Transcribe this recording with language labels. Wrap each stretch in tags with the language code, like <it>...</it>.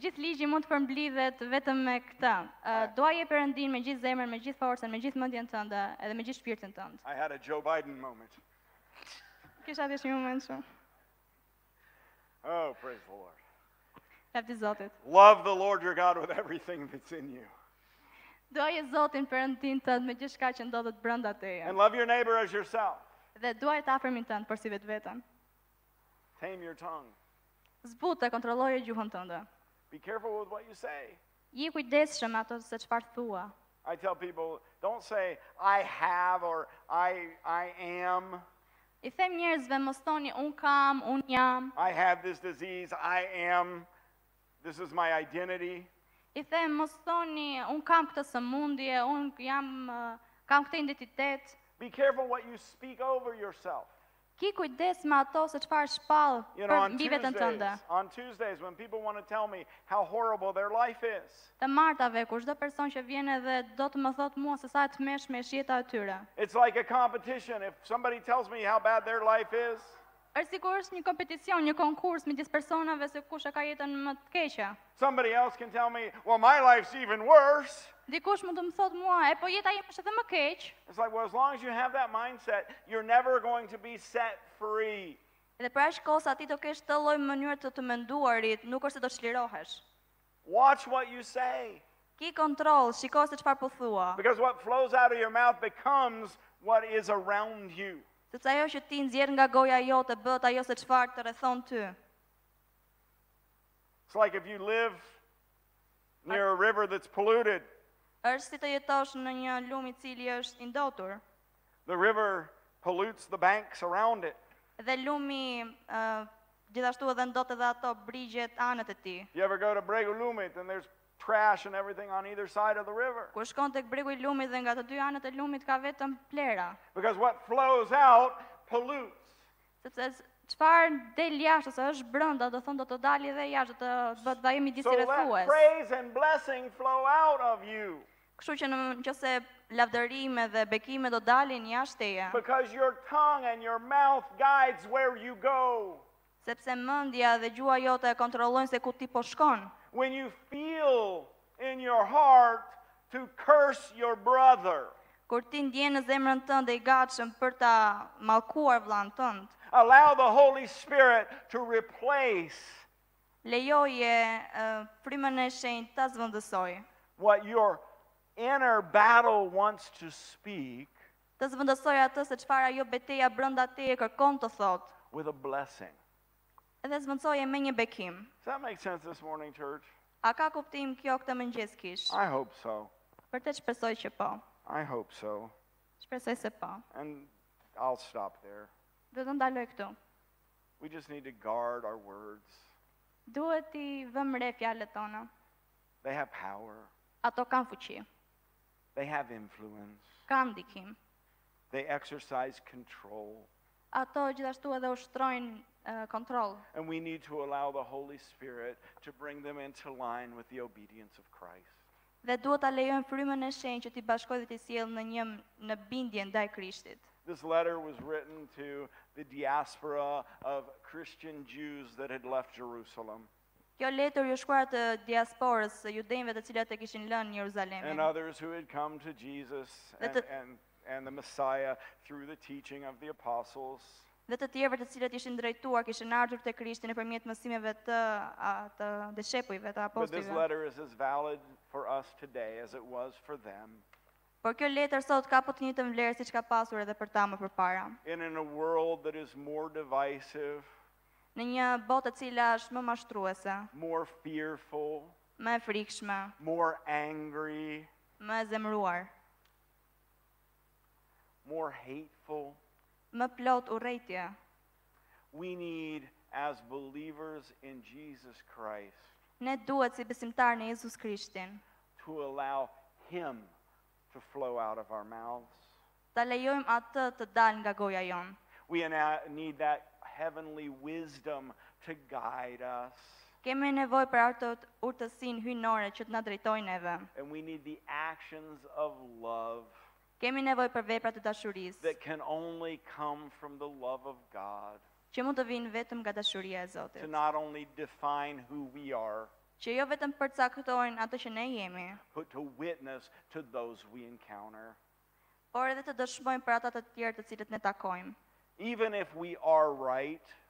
<sq>gjithë ligji mund të përmblidhet vetëm me këtë. Duaje Perëndin me gjithë zemrën, me gjithë forcën, me gjithë mendjen tënde, edhe me gjithë shpirtin tënd.</sq> <en>I had a Joe Biden moment.</en> <sq>Kisha dhe një moment shumë.</sq> <en>Oh, praise the Lord.</en> <sq>Lavdi Zotit.</sq> <en>Love the Lord your God with everything that's in you.</en> <sq>Duaje Zotin Perëndin tënd me gjithçka që ndodhet brenda teje.</sq> <en>And love your neighbor as yourself.</en> <sq>Dhe duaje të afërmin tënd për si vetveten.</sq> <en>Tame your tongue.</en> <sq>Zbute, kontrolloje gjuhën tënde.</sq> <en>Be careful with what you say.</en> <sq>Je kujdesshëm ato se çfarë thua.</sq> <en>I tell people, don't say I have or I am.</en> <sq>I them njerëzve mos thoni un kam, un jam.</sq> <en>I have this disease, I am. This is my identity.</en> <sq>I them mos thoni un kam këtë sëmundje, un jam kam këtë identitet.</sq> <en>Be careful what you speak over yourself.</en> <sq>Ki kujdes me ato se çfarë shpall mbi veten tënde.</sq> <en>On Tuesdays when people want to tell me how horrible their life is.</en> <sq>Të martave kur çdo person që vjen edhe do të më thotë mua se sa e tmeshme është jeta e tyre.</sq> <en>It's like a competition if somebody tells me how bad their life is.</en> <sq>Është sikur është një kompeticion, një konkurs midis personave se kush e ka jetën më të keqe.</sq> <en>Somebody else can tell me, well my life's even worse.</en> <sq>Dikush mund të më thotë mua, e po jeta ime është edhe më keq.</sq> <en>It's like, well, as long as you have that mindset, you're never going to be set free.</en> <sq>Edhe pra është kohë sa ti do kesh të lloj mënyrë të të menduarit, nuk është se do çlirohesh.</sq> <en>Watch what you say.</en> <sq>Ki kontroll, shiko se çfarë po thua.</sq> <en>Because what flows out of your mouth becomes what is around you.</en> <sq>Sepse ajo që ti nxjerr nga goja jote bëhet ajo se çfarë të rrethon ty.</sq> <en>It's like if you live near a river that's polluted.</en> <sq>Është si të jetosh në një lum I cili është I ndotur.</sq> <en>The river pollutes the banks around it.</en> <sq>Dhe lumi gjithashtu edhe ndot edhe ato brigjet anët e tij.</sq> <en>You ever go to Bregu Lumit and there's trash and everything on either side of the river.</en> <sq>Kur shkon tek Bregu I Lumit dhe nga të dy anët e lumit ka vetëm plera.</sq> <en>Because what flows out pollutes.</en> <sq>Sepse çfarë del jashtë ose është brenda, do thonë do të dalë edhe jashtë, do të bëhet vaji midis rrethues.</sq> <en>So praise and blessing flow out of you.</en> <sq>Kështu që nëse lavdërim edhe bekime do dalin jashtë teje.</sq> <en>Because your tongue and your mouth guides where you go.</en> <sq>Sepse mendja dhe gjuha jote kontrollojnë se ku ti po shkon.</sq> <en>When you feel in your heart to curse your brother.</en> <sq>Kur ti ndjen në zemrën tënde I gatshëm për ta mallkuar vllain tënd.</sq> <en>Allow the Holy Spirit to replace.</en> <sq>Lejoje frymën e shenjtë ta zvendësoj.</sq> <en>What your inner battle wants to speak.</en> <sq>Ta zvendësoj atë se çfarë ajo betejë brenda teje kërkon të thotë.</sq> <en>With a blessing.</en> <sq>Edhe zvendësoje me një bekim.</sq> <en>Does that make sense this morning, church?</en> <sq>A ka kuptim kjo këtë mëngjes kish?</sq> <en>I hope so.</en> <sq>Vërtet shpresoj që po.</sq> <en>I hope so.</en> <sq>Shpresoj se po.</sq> <en>And I'll stop there.</en> <sq>Do të ndaloj këtu.</sq> <en>We just need to guard our words.</en> <sq>Duhet t'i vëmë re fjalët tona.</sq> <en>They have power.</en> <sq>Ato kanë fuqi.</sq> <en>They have influence.</en> <sq>Kanë ndikim.</sq> <en>They exercise control.</en> <sq>Ato gjithashtu edhe ushtrojnë kontroll.</sq> <en>And we need to allow the Holy Spirit to bring them into line with the obedience of Christ.</en> <sq>Dhe duhet ta lejojmë frymën e shenjtë që t'i bashkojë dhe t'i sjellë në një në bindje ndaj Krishtit.</sq> <en>This letter was written to the diaspora of Christian Jews that had left Jerusalem.</en> <sq>Kjo letër ju shkruar të diasporës së judejve të cilat e kishin lënë Jeruzalemin.</sq> <en>And others who had come to Jesus and the Messiah through the teaching of the apostles.</en> <sq>Dhe të tjerëve të cilët ishin drejtuar, kishin ardhur te Krishti nëpërmjet mësimeve të dëshepujve të apostujve.</sq> <en>But this letter is as valid for us today as it was for them.</en> <sq>Por kjo letër sot ka po të njëjtën vlerë siç ka pasur edhe për ta më përpara.</sq> <en>In a world that is more divisive.</en> <sq>Në një botë e cila është më mashtruese.</sq> <en>More fearful.</en> <sq>Më e frikshme.</sq> <en>More angry.</en> <sq>Më e zemëruar.</sq> <en>More hateful.</en> <sq>Më plot urrëtia.</sq> <en>We need as believers in Jesus Christ.</en> <sq>Ne duhet si besimtar në Jezus Krishtin.</sq> <en>To allow him to flow out of our mouths.</en> <sq>Ta lejojmë atë të dalë nga goja jonë.</sq> <en>We need that heavenly wisdom to guide us.</en> <sq>Kemë nevojë për atë urtësinë hyjnore që të na drejtojë neve.</sq> <en>And we need the actions of love.</en> <sq>Kemi nevojë për veprat të dashurisë.</sq> <en>That can only come from the love of God.</en> <sq>Që mund të vinë vetëm nga dashuria e Zotit.</sq> <en>To not only define who we are.</en> <sq>Që jo vetëm përcaktojnë atë që ne jemi.</sq> <en>But to witness to those we encounter.</en> <sq>Por edhe të dëshmojmë për ata të tjerë të cilët ne takojmë.</sq> <en>Even if we are right.</en>